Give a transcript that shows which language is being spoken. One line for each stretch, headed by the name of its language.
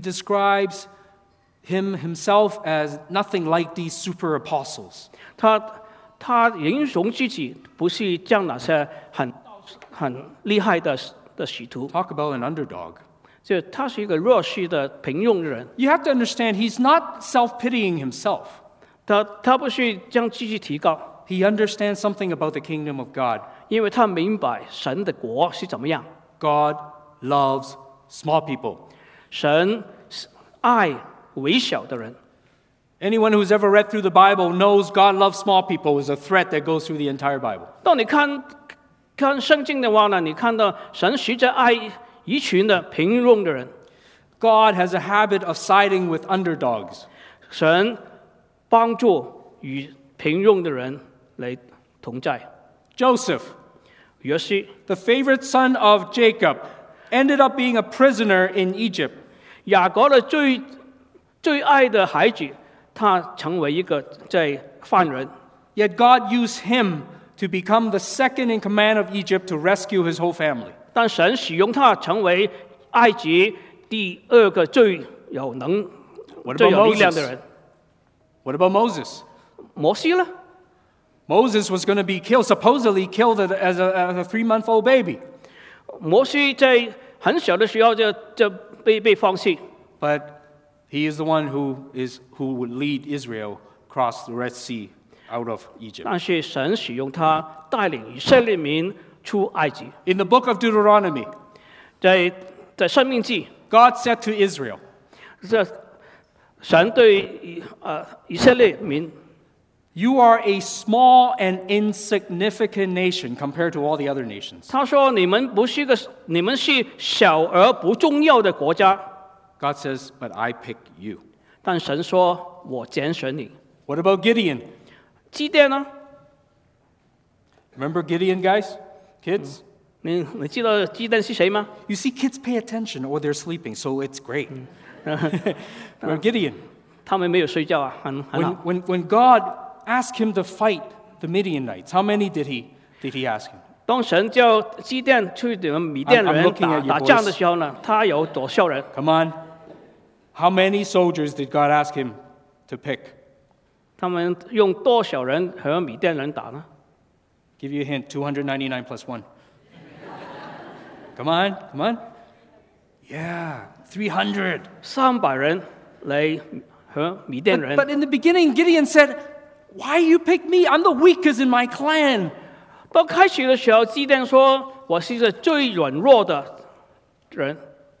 English: describes himself as nothing like these super apostles.
Chinese: 他形容自己不是像那些很厉害的使徒。
English: Talk about an underdog.
Chinese: 就他是一个弱势的平庸人。
English: You have to understand he's not self-pitying himself.
Chinese: 他不是将自己提高。
English: He understands something about the kingdom of God. God loves small people. Anyone who's ever read through the Bible knows God loves small people is a threat that goes through the entire Bible. When you read the Bible, you see that God loves small people. God has a habit of siding with underdogs.
Chinese: 神帮助与平庸的人来同在。
English: Joseph,
Chinese: 约西,
English: the favorite son of Jacob, ended up being a prisoner in Egypt.
Chinese: 雅各的最爱的孩子，他成为一个在犯人。
English: Yet God used him to become the second in command of Egypt to rescue his whole family.
Chinese: 但神使用他成为埃及第二个最有能、最有力量的人。
English: What about Moses?
Chinese: 摩西呢?
English: Moses was going to be killed, supposedly killed as a three-month-old baby.
Chinese: 摩西在很小的时候就被放弃。
English: But he is the one who would lead Israel across the Red Sea out of Egypt.
Chinese: 但是神使用他带领以色列民出埃及。
English: In the book of Deuteronomy,
Chinese: 在申命记,
English: God said to Israel,
Chinese: 神对以色列民,
English: You are a small and insignificant nation compared to all the other nations.
Chinese: 他说你们是小而不重要的国家。
English: God says, but I pick you.
Chinese: 但神说我拣选你。
English: What about Gideon?
Chinese: 基甸呢?
English: Remember Gideon, guys? Kids?
Chinese: 你记得基甸是谁吗?
English: You see, kids pay attention or they're sleeping, so it's great. Remember Gideon?
Chinese: 他们没有睡觉啊, 很好。
English: When God asked him to fight the Midianites, how many did he ask him?
Chinese: 当神叫基甸去你们米甸人 打仗的时候呢，他有多少人
English: ？Come on, how many soldiers did God ask him to pick?
Chinese: 他们用多少人和米甸人打呢
English: ？Give you a hint, 299 plus one. come on. Yeah, 300.
Chinese: 三百人来和米甸人。
English: But in the beginning, Gideon said, "Why you pick me? I'm the weakest in my clan."
Chinese: 到开始的时候，基甸说：“我是最软弱的人。”